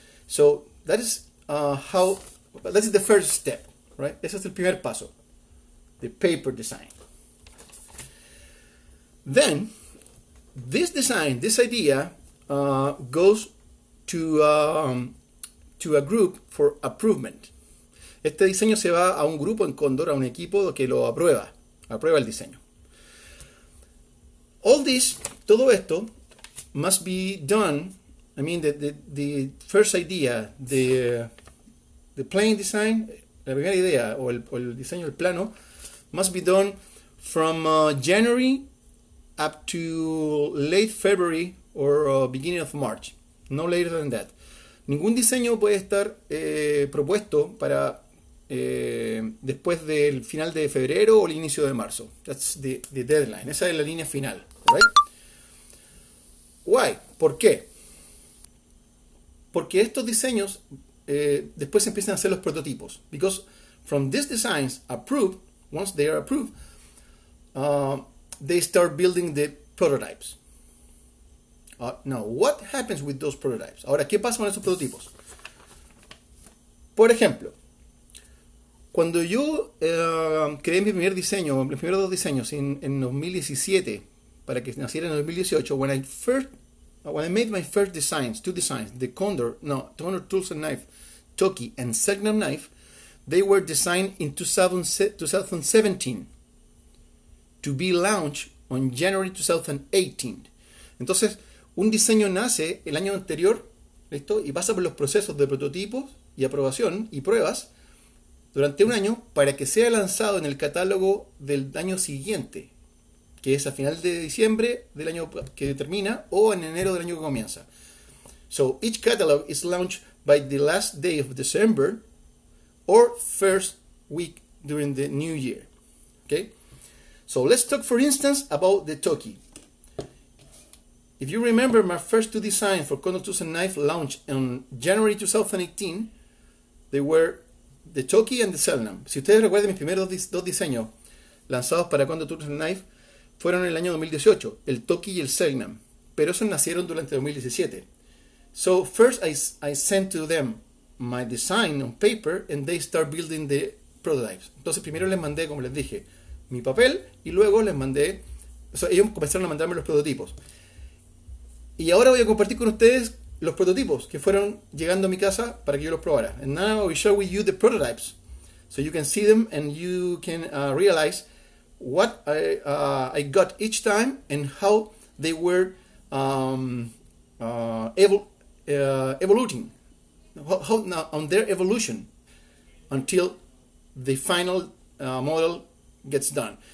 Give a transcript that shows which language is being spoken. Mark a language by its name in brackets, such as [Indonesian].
[English] So that is how, that is the first step, right? [Spanish] Ese es el primer paso. [English] The paper design. Then, this design, this idea, goes to a group for approval. [Spanish] Este diseño se va a un grupo en Cóndor, a un equipo que lo aprueba. Aprueba el diseño. [English] All this, [Spanish] todo esto, [English] must be done. I mean, the first idea, the plain design, [Spanish] la primera idea, o el diseño, el plano, [English] must be done from January up to late February or beginning of March. No later than that. [Spanish] Ningún diseño puede estar propuesto para después del final de febrero o el inicio de marzo. [English] That's the deadline. [Spanish] Esa es la línea final. [English] Right? Why? [Spanish] ¿Por qué? Porque estos diseños después empiezan a ser los prototipos. [English] Because from these designs approved, once they are approved, they start building the prototypes. Now, what happens with those prototypes? [Spanish] Ahora, ¿qué pasa con esos prototipos? Por ejemplo, cuando yo creé mi primer diseño, mis primeros dos diseños en 2017, para que naciera en 2018, [English] when I made my first designs, two designs, the Condor, no, Condor Tools and Knife, Toki, and Segner Knife, they were designed in 2017 to be launched on January 2018. [Spanish] Entonces, un diseño nace el año anterior, ¿listo? Y pasa por los procesos de prototipos y aprobación y pruebas durante un año para que sea lanzado en el catálogo del año siguiente, que es a final de diciembre del año que termina o en enero del año que comienza. [English] So, each catalog is launched by the last day of December or first week during the new year. Okay? So let's talk, for instance, about the Toki. If you remember my first two designs for Condor Tools and Knife launched on January 2018, they were the Toki and the Selnam. [Spanish] Si ustedes recuerdan, mis primeros dos diseños lanzados para Condor Tools and Knife fueron en el año 2018, el Toki y el Selnam, pero esos nacieron durante 2017. [English] So first I sent to them my design on paper and they start building the prototypes. [Spanish] Entonces primero les mandé, como les dije, mi papel y luego les mandé, o sea, ellos comenzaron a mandarme los prototipos. Y ahora voy a compartir con ustedes los prototipos que fueron llegando a mi casa para que yo los probara. [English] And now we share with you the prototypes, so you can see them and you can realize what I got each time and how they were evolving, how on their evolution until the final model gets done.